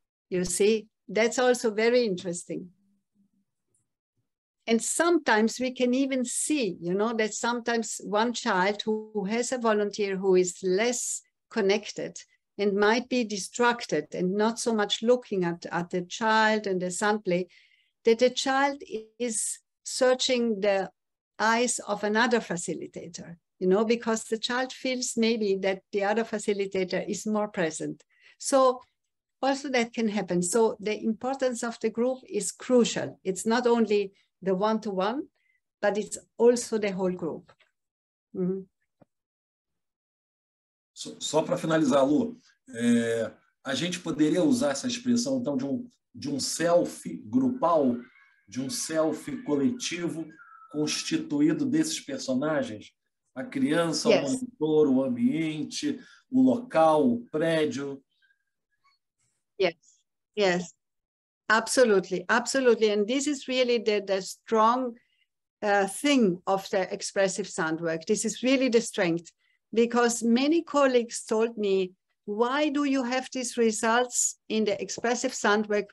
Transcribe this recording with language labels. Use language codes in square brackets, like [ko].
[en] You see, that's also very interesting. And sometimes we can even see, you know, that sometimes one child who has a volunteer who is less connected and might be distracted and not so much looking at the child and the sandplay, that the child is searching the eyes of another facilitator, you know, because the child feels maybe that the other facilitator is more present. So also that can happen. So the importance of the group is crucial. It's not only the one-to-one, but it's also the whole group. Mm-hmm. [pt] Só para finalizar, Lu, a gente poderia usar essa expressão, então, de um self grupal, de um self coletivo constituído desses personagens? A criança, yes. O monitor, o ambiente, o local, o prédio? [en] Yes, yes. Absolutely, absolutely. And this is really the strong thing of the expressive sound work. This is really the strength because many colleagues told me, why do you have these results in the expressive sound work?